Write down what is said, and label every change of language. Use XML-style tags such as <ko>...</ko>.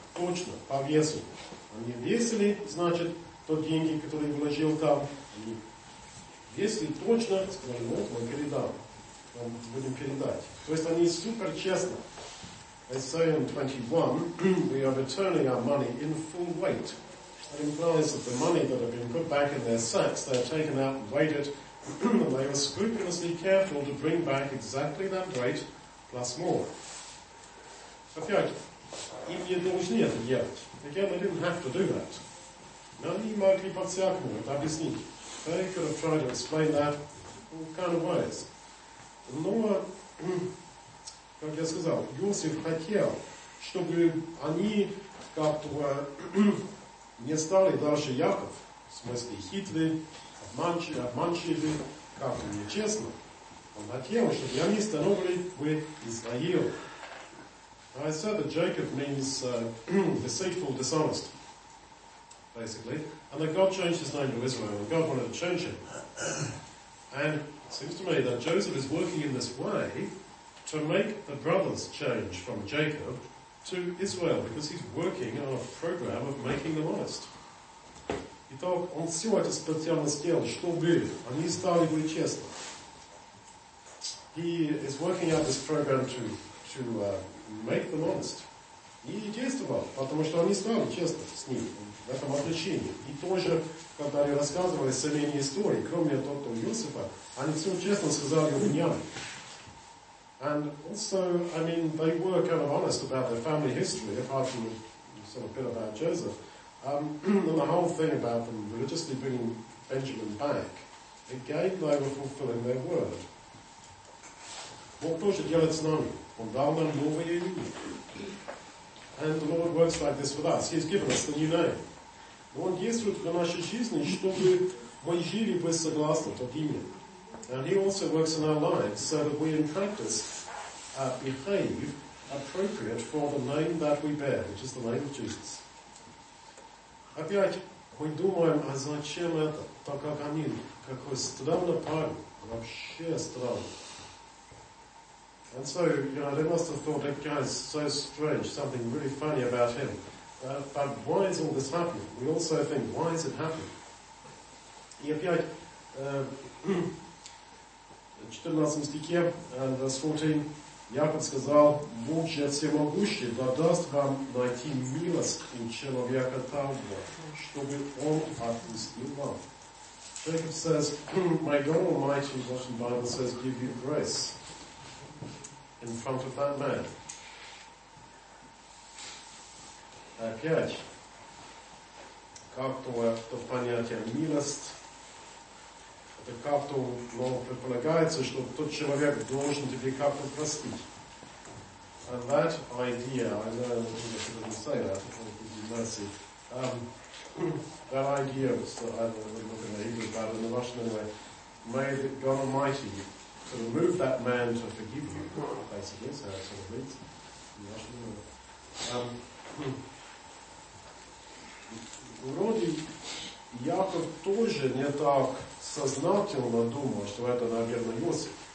<ru>Точно, по весу. Они весили, значит, то деньги, которые вложил там. Они весили точно, сказали, вот мы передам. Будем передать. То есть они супер честно.</ru> <en>Isaiah 21, we are returning our money in full weight. That implies that the money that had been put back in their sacks, they had taken out and weighed it, and they were scrupulously careful to bring back exactly that weight plus more.</en> <ru>Опять, им не должны это делать.</ru> <en>Again, they didn't have to do that.</en> <ru>Но они могли по-всякому это объяснить.</ru> <en>They could have tried to explain that in all kind of ways.</en> <ru>Но, как я сказал, Иосиф хотел, чтобы они как-то не стали дальше Яков, в смысле хитрый, обманчивый, как-то нечестно. Он хотел, чтобы они становились бы Израилем.</ru> <en>I said that Jacob means deceitful, dishonest, basically. And that God changed his name to Israel, and God wanted to change him. And it seems to me that Joseph is working in this way to make the brothers change from Jacob to Israel, because he's working on a program of making them honest.</en> <ru>Итак, он всё это специально сделал, чтобы они стали бы честны.</ru> <en>He is working out this program to make them honest.</en> <ru>И действовал, потому что они стали честны с ним в этом отношении. И тоже, когда они рассказывали семейные истории, кроме того, Иосифа, они все честно сказали у меня.</ru> <en>And also, I mean, they were kind of honest about their family history, apart from sort of a bit about Joseph. And the whole thing about them religiously bringing Benjamin back, again, they were fulfilling their word.</en> <ru>Бог тоже делает с нами. Он дал нам новое имя.</ru> <en>And the Lord works like this with us. He's given us the new name.</en> <ru>Но Он действует в нашей жизни, чтобы мы жили бы согласно тот имя.</ru> <en>And He also works in our lives so that we in practice behave appropriate for the name that we bear, which is the name of Jesus.</en> <ru>Опять мы думаем, а зачем это? Так как они, какой странный парень, вообще странный.</ru> <en>And so, you know, they must have thought that guy's so strange, something really funny about him. But why is all this happening? We also think, why is it happening?</en> <ru>И опять, в 14 стихе,</ru> <en>verse 14,</en> <ru>Яков сказал, Бог же всемогущий, да даст вам найти милость у человека того, чтобы он отпустил вам.</ru> <en>Jacob says, my God Almighty, the Bible says, give you grace in front of that man.</en> <ru>Опять, как-то это понятие милость, это как-то, но предполагается, что тот человек должен тебе как-то простить.</ru> <en>And that idea, I know I shouldn't say that, it would be mercy. That idea, so I'm looking at Hebrew, but in the Russian anyway, may God Almighty to remove that man to forgive you, basically, so that's what it means in Russian.</en> <ru>Вроде Яков тоже не так сознательно думал, что это, наверное, Иосиф.</ru>